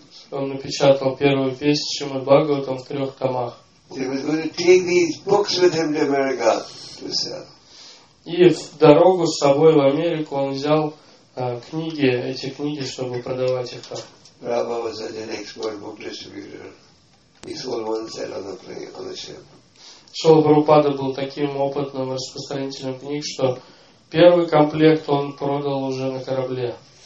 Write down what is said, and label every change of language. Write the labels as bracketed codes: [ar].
[ru] Он напечатал первую песню Шримад Бхагаватам в трех томах. [en] He was going to take these books with him to America to sell. [ru] И в дорогу с собой в Америку он взял эти книги, чтобы продавать их там. [en] Prabhupada was such an expert book distributor. He sold one set on the plane, on the ship. [ru] Шрила Прабхупада был таким опытным распространителем книг, что первый комплект он продал уже на корабле.